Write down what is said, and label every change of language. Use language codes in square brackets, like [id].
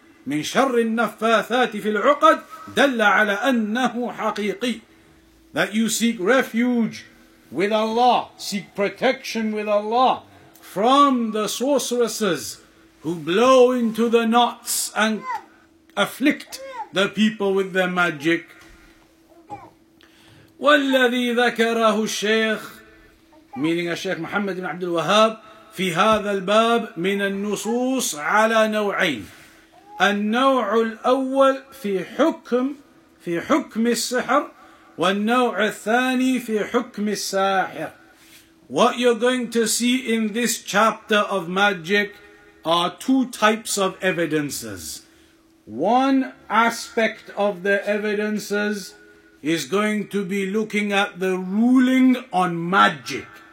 [ar] مِن شَرِّ النَّفَّاثَاتِ فِي الْعُقَدِ دَلَّ عَلَىٰ أَنَّهُ حَقِيقِي. [en] That you seek refuge with Allah, seek protection with Allah from the sorceresses who blow into the knots and afflict the people with their magic. [ar] وَالَّذِي ذَكَرَهُ الشَّيْخ, [en] meaning Shaykh Muhammad ibn Abdul Wahhab, [ar] فِي هَذَا الْبَابِ مِنَ النُّصُوصِ عَلَى نَوْعَيْنِ النَّوْعُ الْأَوَّلِ فِي حُكْمِ السِّحْرِ وَالنَّوْعُ الثَّانِي فِي حُكْمِ السَّاحِرِ. [en] What you're going to see in this chapter of magic are two types of evidences. One aspect of the evidences is going to be looking at the ruling on magic.